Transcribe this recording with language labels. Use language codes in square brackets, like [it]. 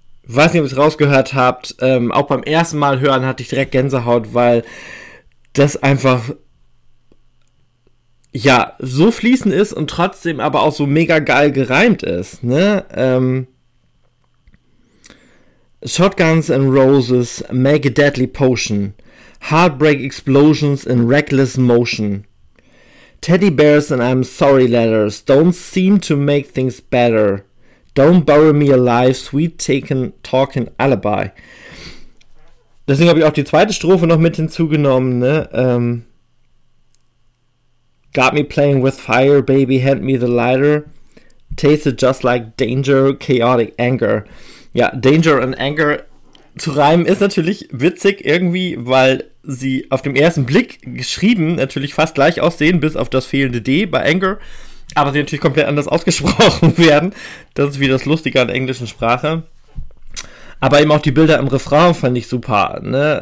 [de] Weiß nicht, ob ihr es rausgehört habt. Auch beim ersten Mal hören hatte ich direkt Gänsehaut, weil das einfach ja, so fließend ist und trotzdem aber auch so mega geil gereimt ist, ne? [en] Shotguns and Roses make a deadly potion. Heartbreak explosions in reckless motion. Teddy bears and I'm sorry letters don't seem to make things better. Don't bury me alive, sweet taken talking alibi. [de] Deswegen habe ich auch die zweite Strophe noch mit hinzugenommen, ne? [en] Got me playing with fire, baby, hand me the lighter. Tasted just like danger, chaotic anger. [de] Ja, danger and anger zu reimen ist natürlich witzig irgendwie, weil sie auf dem ersten Blick geschrieben natürlich fast gleich aussehen, bis auf das fehlende D bei anger, aber sie natürlich komplett anders ausgesprochen werden. Das ist wie das Lustige an der englischen Sprache. Aber eben auch die Bilder im Refrain fand ich super, ne?